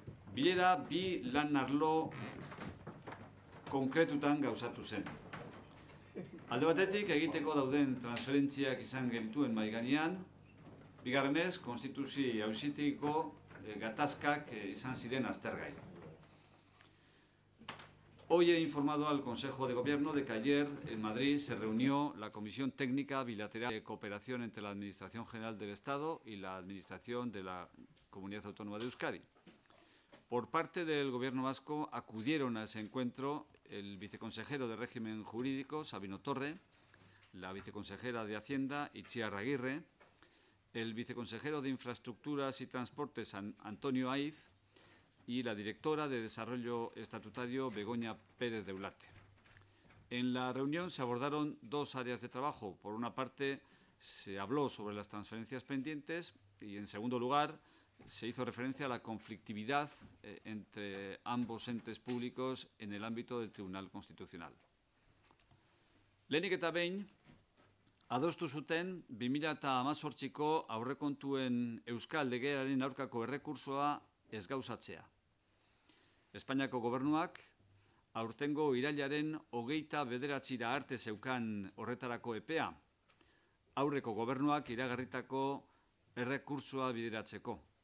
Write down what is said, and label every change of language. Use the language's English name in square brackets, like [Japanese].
[Basque] Bilera bi lan arlo konkretutan gauzatu zen. Alde batetik egiteko dauden transferentziak izan genituen maiganean, bigarrenez, konstituzio auzitegiko gatazkak izan ziren aztergai. [Spanish] Hoy he informado al Consejo de Gobierno de que ayer en Madrid se reunió la Comisión Técnica Bilateral de Cooperación entre la Administración General del Estado y la Administración de la Comunidad Autónoma de Euskadi. Por parte del Gobierno Vasco acudieron a ese encuentro el viceconsejero de Régimen Jurídico, Sabino Torre, la viceconsejera de Hacienda, Itziar Agirre, el viceconsejero de Infraestructuras y Transportes, Antonio Aiz, y la directora de Desarrollo Estatutario, Begoña Pérez de Ulate. En la reunión se abordaron dos áreas de trabajo. Por una parte, se habló sobre las transferencias pendientes y, en segundo lugar, se hizo referencia a la conflictividad entre ambos entes públicos en el ámbito del Tribunal Constitucional. [Basque] Lehenik eta behin, adostu zuten 2018ko aurrekontuen Euskal Legearen aurkako errekursoa ez gauzatzea. Espainiako gobernuak aurtengo irailaren 29ra arte zeukan horretarako epea, aurreko gobernuak iragarritako errekursoa bideratzeko.